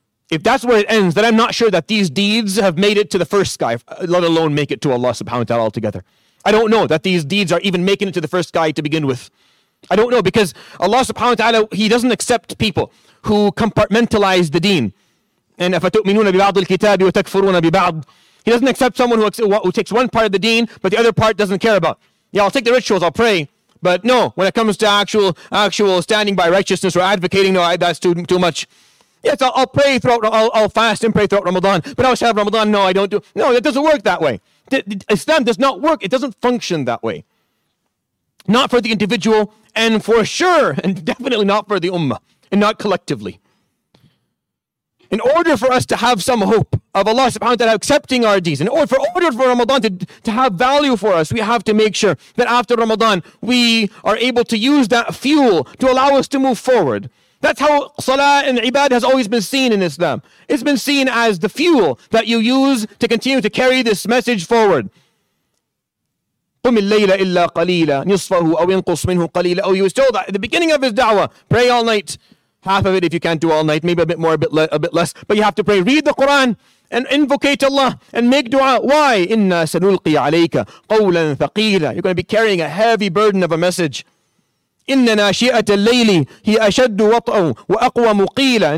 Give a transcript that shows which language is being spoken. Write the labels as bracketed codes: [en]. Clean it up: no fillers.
[en] If that's where it ends, then I'm not sure that these deeds have made it to the first sky, let alone make it to Allah subhanahu wa ta'ala altogether. I don't know that these deeds are even making it to the first sky to begin with. I don't know because Allah subhanahu wa ta'ala, He doesn't accept people who compartmentalize the deen. And if [ar] أَفَتُؤْمِنُونَ بِبَعْضِ الْكِتَابِ وَتَكْفُرُونَ بِبَعْضِ. [en] He doesn't accept someone who takes one part of the deen, but the other part doesn't care about. Yeah, I'll take the rituals, I'll pray. But no, when it comes to actual standing by righteousness or advocating, no, that's too much. Yes, I'll pray throughout, I'll fast and pray throughout Ramadan. But outside of Ramadan, no, I don't do. No, it doesn't work that way. Islam does not work. It doesn't function that way. Not for the individual, and for sure, and definitely not for the ummah, and not collectively. In order for us to have some hope of Allah subhanahu wa ta'ala accepting our deeds, in order for Ramadan to have value for us, we have to make sure that after Ramadan, we are able to use that fuel to allow us to move forward. That's how salah and ibadah has always been seen in Islam. It's been seen as the fuel that you use to continue to carry this message forward. [ar] قم الليل إلا قليلا نصفه أو ينقص منه قليلا أو يوسف. [en] Told that at the beginning of his da'wah, pray all night. Half of it if you can't do all night, maybe a bit more, a bit less. But you have to pray. Read the Quran and invocate Allah and make dua. Why? [ar] Inna sanulqi alayka qawlan thaqeela. [en] You're going to be carrying a heavy burden of a message. [ar] Inna nashi'at al-layli hi ashaddu wat'u wa aqwa muqeela.